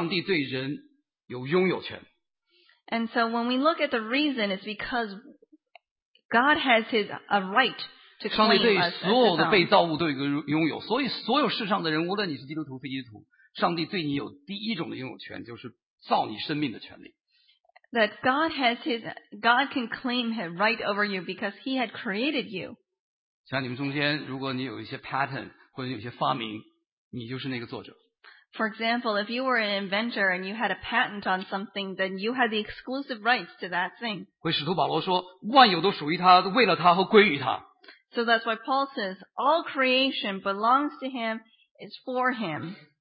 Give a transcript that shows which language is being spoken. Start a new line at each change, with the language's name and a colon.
Chinese: 当我们来思想原因的时候，实际上上帝对人有拥有权。
English: And so when we look at the reason, it's because God has a right to claim us as His own.
Chinese: 上帝对你有第一种的拥有权，就是造你生命的权利。
English: That God can claim His right over you because He had created you.
Chinese: 像你们中间，如果你有一些 pattern 或者有些发明，你就是那个作者。
English: For example, if you were an inventor and you had a patent on something, then you had the exclusive rights to that thing.
Chinese: 会使徒保罗说，万有都属于他，为了他和归于他。
English: So that's why Paul says, all creation belongs to him, it's for him.